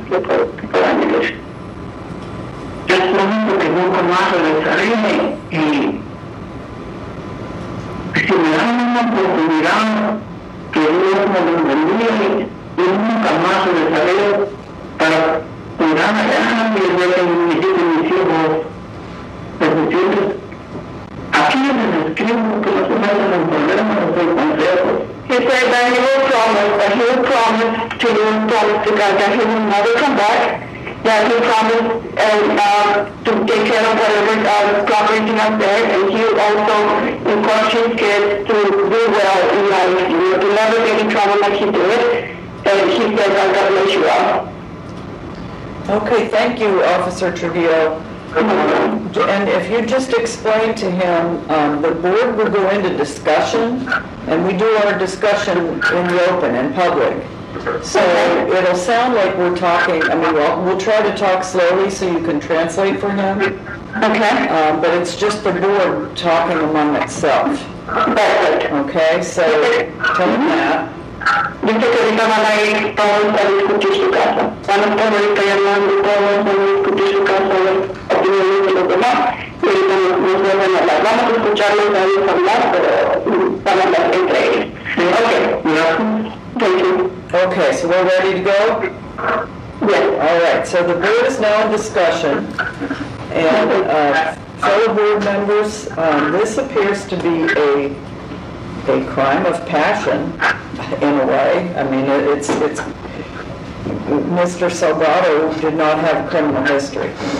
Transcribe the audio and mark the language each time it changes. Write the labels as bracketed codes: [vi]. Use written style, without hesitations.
[es] Es lo único que nunca más regresaré y si me dan una oportunidad que Dios me lo bendiga, yo nunca más regresaré para cuidar a alguien de mis hijos. Entonces, aquí les escribo que no se vayan a volver a hacer consejos. [en] He said that he will promise, that he will promise to you, promise to God, that he will never come back, that he promised to take care of whatever property he has there, and he will also encourage his kids to do well in life, you know, to never get in trouble like he did, and he said that God bless you all. Okay, thank you, Officer Trujillo. And if you just explain to him, the board will go into discussion, and we do our discussion in the open, in public. So it'll sound like we're talking, I mean, we'll try to talk slowly so you can translate for him. Okay. But it's just the board talking among itself. Perfect. Okay, so tell him that. [es] Dice que ahorita van a ir todos a discutir su caso. Van a estar ahorita llamando todos a discutir su caso, a ver, opiniones de los demás. Y ahorita nos vuelven a hablar. Vamos a escucharlos a ellos hablar, pero van a hablar entre ellos. Okay. [en] Yeah. Thank you. Okay, so we're ready to go? Yes. All right, so the board is now in discussion. And fellow board members, this appears to be a crime of passion, in a way. I mean, it's Mr. Salgado did not have a criminal history.